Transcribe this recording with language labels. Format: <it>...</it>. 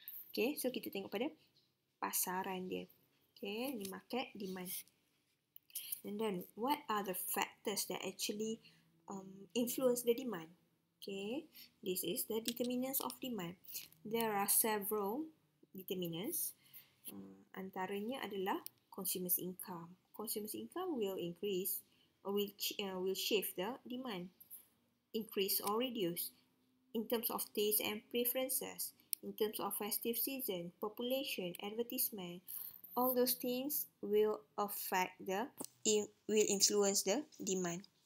<ms>Okay, so kita tengok pada pasaran dia. Okay, ni market demand.</ms> <en>And then, what are the factors that actually influence the demand? Okay, this is the determinants of demand. There are several determinants.</en> <ms>Antaranya adalah consumer's income.</ms> <en>Consumer's income will increase or will shift the demand. Increase or reduce in terms of taste and preferences. In terms of festive season, population, advertisement, all those things will affect the, will influence the demand.</en>